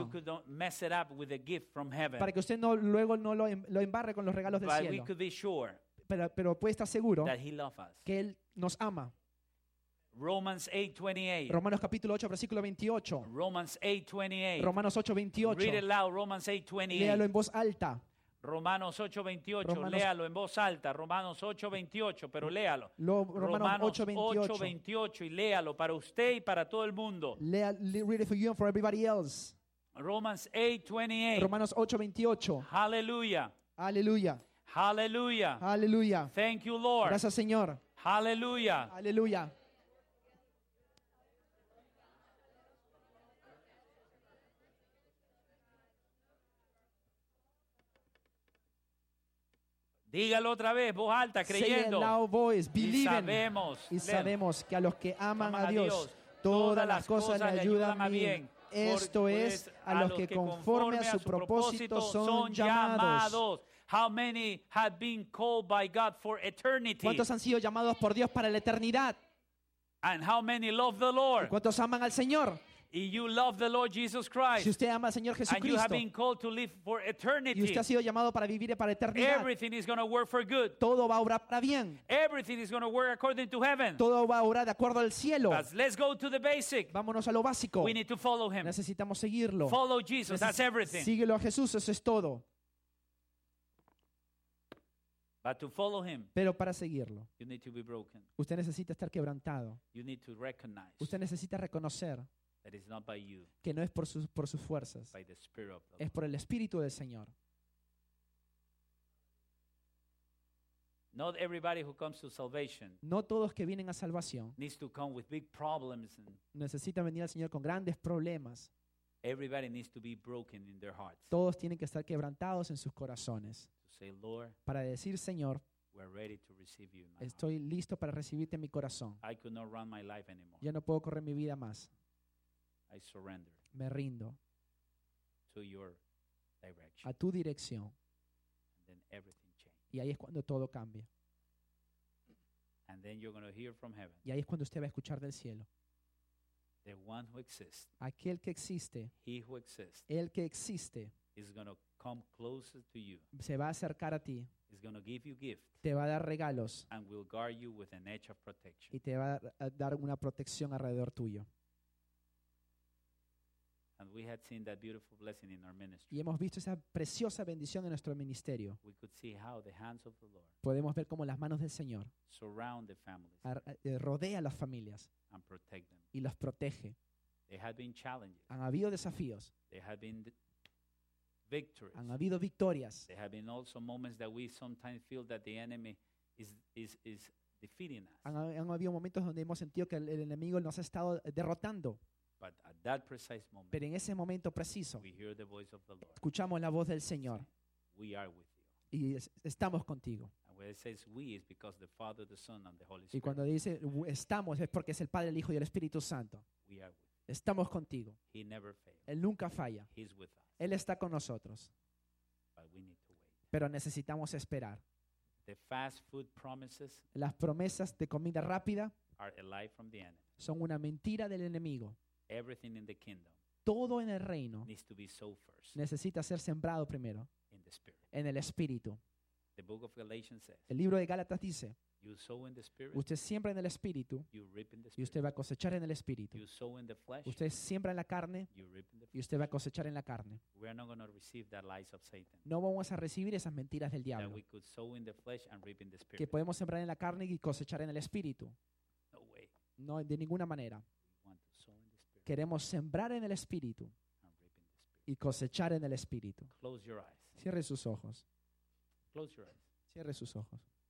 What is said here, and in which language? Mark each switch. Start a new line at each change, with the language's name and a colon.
English: So you could don't mess it up with a gift from heaven.
Spanish: Para que usted no, luego no lo, lo embarre con los regalos del
English: but
Spanish: cielo.
English: We could be sure,
Spanish: pero puede estar seguro
English: that he loves us.
Spanish: Que Él nos ama.
English: Romans 8:28.
Spanish: Romanos capítulo 8 versículo 28.
English: Romans 8:28.
Spanish: Romanos 8:28.
English: Read it loud. Romans 8:28.
Spanish: Léalo en voz alta. Romanos 8:28. Léalo en voz alta. Romanos 8:28. Pero léalo. Romanos 8:28 y léalo para usted y para todo el mundo.
English: Read it for you and for everybody else. Romans 8:28.
Spanish: Romanos 8:28. Hallelujah. Hallelujah. Hallelujah. Hallelujah. Thank you, Lord. Gracias, Señor. Hallelujah. Hallelujah. Dígalo otra vez, voz alta, creyendo.
English: Say it loud voice, believing.
Spanish: Y sabemos que a los que aman a Dios, todas las cosas le ayudan a bien. Esto es, a los que conforme a su propósito son llamados.
English: How many have been called by God for eternity?
Spanish: ¿Cuántos han sido llamados por Dios para la eternidad?
English: And how many love the Lord?
Spanish: ¿Cuántos aman al Señor?
English: If you love the Lord Jesus Christ,
Spanish: si usted ama al Señor Jesucristo,
English: and you have been called to live for eternity,
Spanish: y usted ha sido llamado para vivir para la eternidad,
English: everything is going to work for good.
Spanish: Todo va a obrar para bien.
English: Everything is going to work according to heaven.
Spanish: Todo va a obrar de acuerdo al cielo.
English: But let's go to the basic.
Spanish: Vámonos a lo básico.
English: We need to follow him.
Spanish: Necesitamos seguirlo.
English: Follow Jesus, that's everything.
Spanish: Síguelo a Jesús, eso es todo.
English: But to follow him,
Spanish: pero para seguirlo,
English: you need to be broken.
Spanish: Usted necesita estar quebrantado.
English: You need to recognize.
Spanish: Usted necesita reconocer
English: that it's not by you,
Spanish: que no es por sus fuerzas.
English: By the Spirit of the Lord.
Spanish: Es por el Espíritu del Señor.
English: Not everybody who comes to salvation,
Spanish: no todos que vienen a salvación,
English: needs to come with big problems and
Spanish: necesitan venir al Señor con grandes problemas.
English: Everybody needs to be broken in their hearts.
Spanish: Todos tienen que estar quebrantados en sus corazones.
English: Say, Lord,
Spanish: para decir, Señor,
English: we're ready to receive you in my heart.
Spanish: Estoy listo para recibirte en mi corazón.
English: I could not run my life anymore.
Spanish: Ya no puedo correr mi vida más.
English: I surrender.
Spanish: Me rindo
English: to your direction.
Spanish: A tu dirección.
English: And then everything changes.
Spanish: Y ahí es cuando todo cambia.
English: And then you're going to hear from heaven.
Spanish: Y ahí es cuando usted va a escuchar del cielo.
English: The one who exists,
Spanish: aquel que existe,
English: he who exists,
Spanish: el que existe,
English: is going to come closer to you.
Spanish: Se va a acercar a ti.
English: He's going to give you gifts.
Spanish: Te va a dar regalos.
English: And will guard you with an edge of protection.
Spanish: Y te va a dar una protección alrededor tuyo.
English: And we had seen that beautiful blessing in our ministry.
Spanish: Y hemos visto esa preciosa bendición en nuestro ministerio.
English: We could see how the hands of the Lord,
Spanish: podemos ver cómo las manos del Señor,
English: surround the families,
Spanish: rodea las familias,
English: and protect them,
Spanish: y los protege.
English: They had been challenges.
Spanish: Han habido desafíos.
English: They had been victories.
Spanish: Han habido victorias.
English: There have been also moments that we sometimes feel that the enemy is defeating us.
Spanish: Han habido momentos donde hemos sentido que el enemigo nos ha estado derrotando.
English: But at that precise moment,
Spanish: pero en ese momento preciso,
English: we hear the voice of the Lord.
Spanish: Escuchamos la voz del Señor.
English: We are with you.
Spanish: Y estamos contigo.
English: And when it says we, it's because the Father, the Son, and the Holy Spirit.
Spanish: Y cuando dice estamos, es porque es el Padre, el Hijo y el Espíritu Santo.
English: We are with you.
Spanish: Estamos contigo.
English: He never fails.
Spanish: Él nunca falla.
English: He's with us.
Spanish: Él está con nosotros.
English: But we need to wait.
Spanish: Pero necesitamos esperar.
English: The fast food promises,
Spanish: las promesas de comida rápida,
English: are a lie from the enemy.
Spanish: Son una mentira del enemigo.
English: Everything in the kingdom,
Spanish: todo en el reino,
English: needs to be sown first,
Spanish: necesita ser sembrado primero,
English: in the spirit,
Spanish: en el espíritu.
English: The book of Galatians says,
Spanish: el libro de Gálatas dice,
English: you sow in the spirit,
Spanish: usted siembra en el espíritu,
English: you reap in the spirit,
Spanish: y usted va a cosechar en el espíritu.
English: You sow in the flesh,
Spanish: usted siembra en la carne,
English: you reap in the flesh,
Spanish: y usted va a cosechar en la carne.
English: We are not going to receive the lies of Satan,
Spanish: no vamos a recibir esas mentiras del diablo,
English: that we could sow in the flesh and reap in the spirit,
Spanish: que podemos sembrar en la carne y cosechar en el espíritu.
English: No way.
Spanish: No, de ninguna manera. Queremos sembrar en el Espíritu y cosechar en el Espíritu.
English: Close your eyes.
Spanish: Cierre sus ojos.
English: Close your eyes.
Spanish: Cierre sus ojos.